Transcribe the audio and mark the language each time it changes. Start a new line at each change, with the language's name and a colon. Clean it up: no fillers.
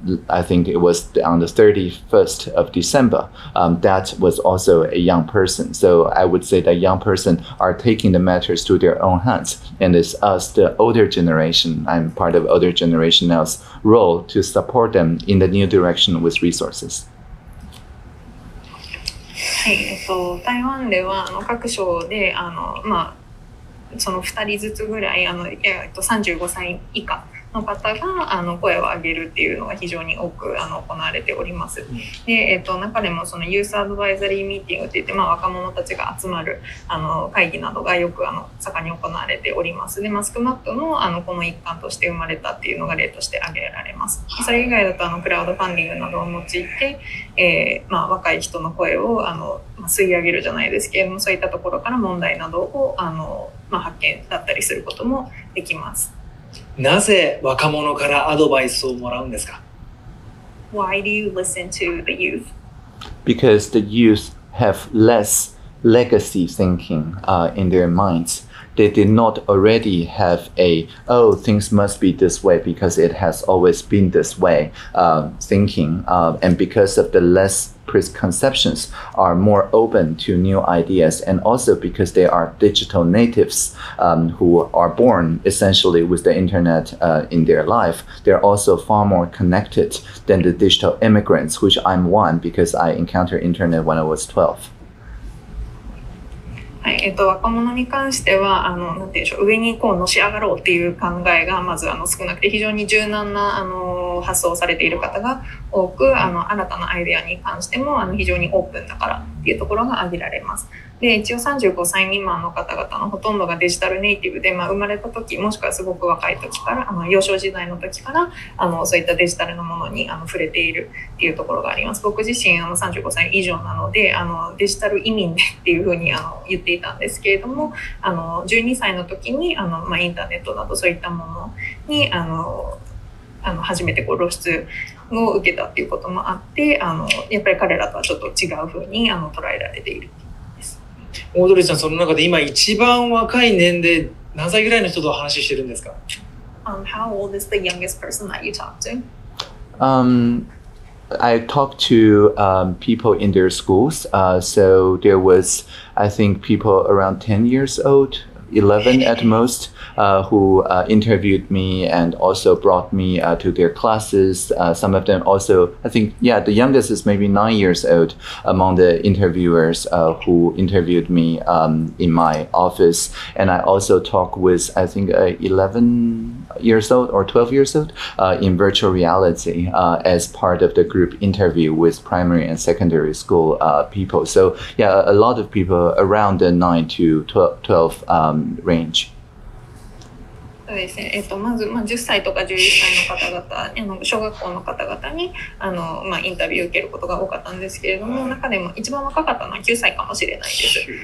English: I think it was on the 31st of December. That was also a young person. So I would say that young person are taking the matters to their own hands, and it's us, the older generation. I'm part of older generation now's role to support them in the new direction with resources.
Japanese: はい、台湾では各省で2人ずつぐらい35歳以下の方が声を上げるっていうのが非常に多く行われております。で、中でもそのユースアドバイザリーミーティングっていって、若者たちが集まる会議などがよく盛んに行われております。で、マスクマップもこの一環として生まれたっていうのが例として挙げられます。それ以外だとクラウドファンディングなどを用いて、若い人の声を吸い上げるじゃないですけれども、そういったところから問題などを発見だったりすることもできます。なぜ若者からアドバイスをもらうんですか?
English: Why do you listen to the youth? Because the youth have less legacy thinking in their minds. They did not already have things must be this way because it has always been this way thinking. And because of the less preconceptions are more open to new ideas, and also because they are digital natives who are born essentially with the internet in their life, they're also far more connected than the digital immigrants, which I'm one because I encountered internet when I was 12.
Japanese: はい、若者に関しては上にこうのし上がろうっていう考えがまず少なくて非常に柔軟な発想されている方が多く新たなアイデアに関しても非常にオープンだからっていうところが挙げられます。で、一応35歳未満の方々のほとんどがデジタルネイティブで、生まれた時もしくはすごく若い時から幼少時代の時からそういったデジタルのものに触れているっていうところがあります。僕自身35歳以上なのでデジタル移民でっていうふうに言っていたんですけれども12歳の時にインターネットなどそういったものに初めてこう露出を受けたっていうこともあって、やっぱり彼らとはちょっと違うふうに捉えられているんです。オードリーちゃん、その中で今一番若い年齢、何歳ぐらいの人と話してるんですか
English: How old is the youngest person that you talk to? I talked to people in their schools. So there was, I think, people around 10 years old, 11 at most. Who interviewed me and also brought me to their classes. Some of them also, I think, yeah, the youngest is maybe 9 years old among the interviewers who interviewed me in my office. And I also talk with, I think, 11 years old or 12 years old in virtual reality as part of the group interview with primary and secondary school people. So yeah, a lot of people around the 9 to 12 range.
Japanese: そうですね。まず、10歳とか11歳の方々、小学校の方々に、インタビューを受けることが多かったんですけれども、中でも一番若かったのは9歳かもしれないです。